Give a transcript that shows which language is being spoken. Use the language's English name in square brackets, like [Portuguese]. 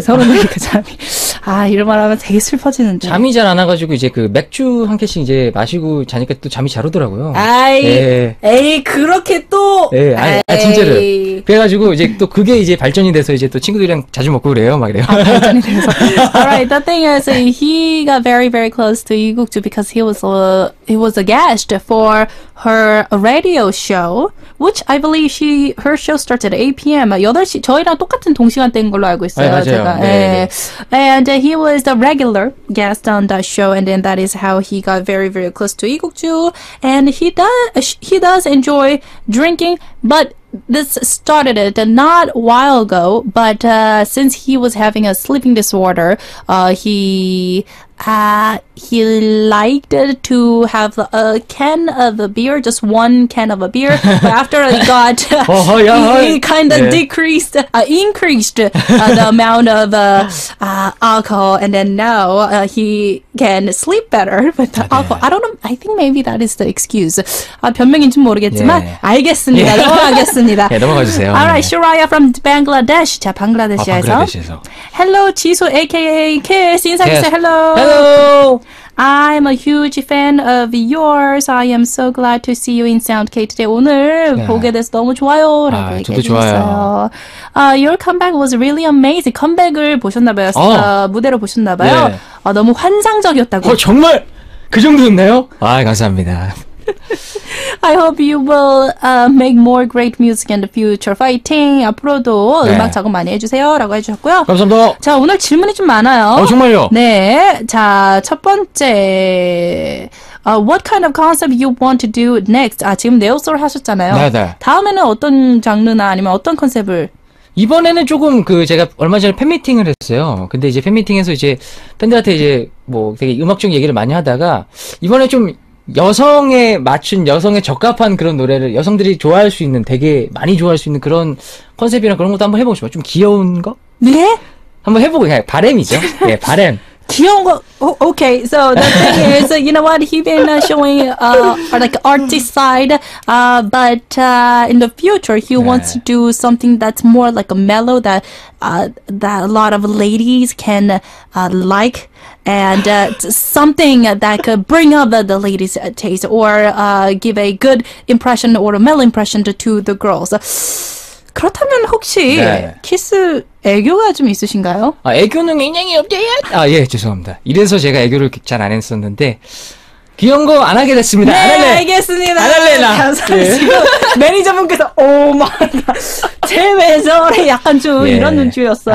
[Korean] 서른 되니까 잠이 아 이런 말 하면 되게 슬퍼지는데 잠이 잘 안 와가지고 이제 그 맥주 한 캔씩 이제 마시고 자니까 또 잠이 잘 오더라고요. 아이 예. 에이 그렇게 또 예, 아니, 에이. 아 진짜로 그래가지고 이제 또 그게 이제 발전이 돼서 이제 또 친구들이랑 자주 먹고 그래요 막 그래요. [English] 아, Alright, the thing is, he got very, very close to 이국주 because he was a guest for her radio show, which I believe her show started at 8 p.m. [Korean] 8시 저희랑 똑같은 동시간대인 걸로 알고 있어요. 아, 맞아요. 제가. 네. 네. [English] And he was the regular guest on that show, and then that is how he got very, very close to 이국주. And he does enjoy drinking, but this started it not a while ago, but since he was having a sleeping disorder, he liked to have a can of a beer, just one can of a beer. But after it got, he increased the amount of alcohol, and then now he can sleep better with the alcohol. I don't know. I think maybe that is the excuse. [Korean] 변명인지 모르겠지만 알겠습니다. 넘어가겠습니다. 네, 넘어가 주세요. [English] Alright, Shariah from Bangladesh. [Korean] 자, 방글라데시에서. 방글라데시에서. [English] Hello, Jisoo, aka KIXS. [Korean] 인사해주세요. [English] Yes. Hello. Hello. I'm a huge fan of yours. I am so glad to see you in Sound K today. 오늘 yeah. [Korean] 보게 돼서 너무 좋아요. 아, 저도 얘기해주세요. 좋아요. [English] Your comeback was really amazing. [Korean] 컴백을 보셨나봐요. 무대를 보셨나봐요. 네. 너무 환상적이었다고. 정말 그 정도였나요? 아, 감사합니다. [English] I hope you will make more great music in the future. [Korean] Fighting! 앞으로도 네. 음악 작업 많이 해주세요. 라고 해주셨고요. 감사합니다. 자, 오늘 질문이 좀 많아요. 정말요? 네. 자, 첫 번째. [English] What kind of concept you want to do next? [Korean] 아, 지금 네오솔 하셨잖아요. 네네. 다음에는 어떤 장르나 아니면 어떤 컨셉을? 이번에는 조금 그 제가 얼마 전에 팬미팅을 했어요. 근데 이제 팬미팅에서 이제 팬들한테 이제 뭐 되게 음악적인 얘기를 많이 하다가 이번에 좀 여성에 맞춘 여성에 적합한 그런 노래를 여성들이 좋아할 수 있는 되게 많이 좋아할 수 있는 그런 컨셉이랑 그런 것도 한번 해보고 싶어요. 좀 귀여운 거? 네? 한번 해보고 그냥 바램이죠. 네, 바램. 귀여운 거. [English] Oh, okay, so the thing is, you know what? He's been showing like artsy side, but in the future he 네. wants to do something that's more like a mellow that that a lot of ladies can like. And something that could bring up the ladies' taste or give a good impression or a male impression to the girls. [Korean] 그렇다면 혹시 네. 키스 애교가 좀 있으신가요? 아, 애교는 굉장히 없대요. 아, 예, 죄송합니다. 이래서 제가 애교를 잘 안 했었는데 귀여운 거 안 하게 됐습니다. 네, 안 할래. 알겠습니다. 안 할래, 나. 감사합니다. 네. 매니저분께서, 오, 마이갓. 제 매절에 약간 좀 예, 이런 눈치였어요.